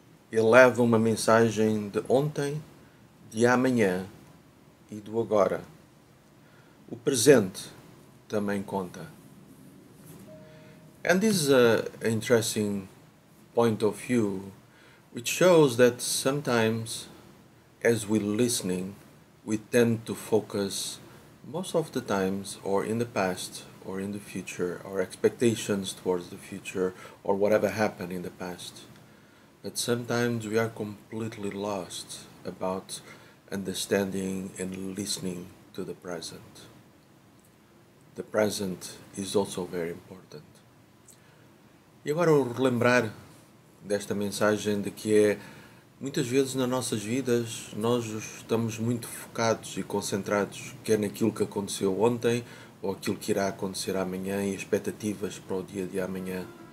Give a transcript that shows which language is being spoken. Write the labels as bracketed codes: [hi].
[pt] Ele leva uma mensagem de ontem, de amanhã e do agora. O presente também conta. [en] And this is an interesting point of view, which shows that sometimes, as we're listening, we tend to focus most of the times, or in the past, or in the future, our expectations towards the future, or whatever happened in the past. But sometimes we are completely lost about understanding and listening to the present. The present is also very important. [pt] E agora, relembrar desta mensagem de que é Muitas vezes nas nossas vidas nós estamos muito focados e concentrados, quer naquilo que aconteceu ontem ou aquilo que irá acontecer amanhã e expectativas para o dia de amanhã.